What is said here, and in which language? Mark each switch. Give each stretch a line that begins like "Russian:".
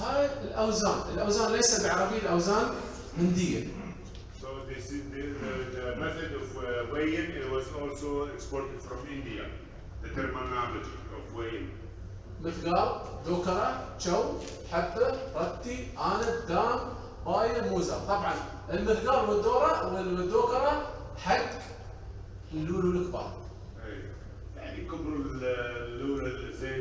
Arabic: هاي الاوزان، الاوزان ليس بالعربي الاوزان هندية.
English: So this is the method of weighing, it was also exported from India. The terminology of weighing.
Arabic: مثقال، ذكرى، شو، حبة، رتي، آنب، قام، باية موزة طبعا المثقال والدورة والدوكرة حق اللولو الكبار. ايوه يعني كبروا اللولو الزين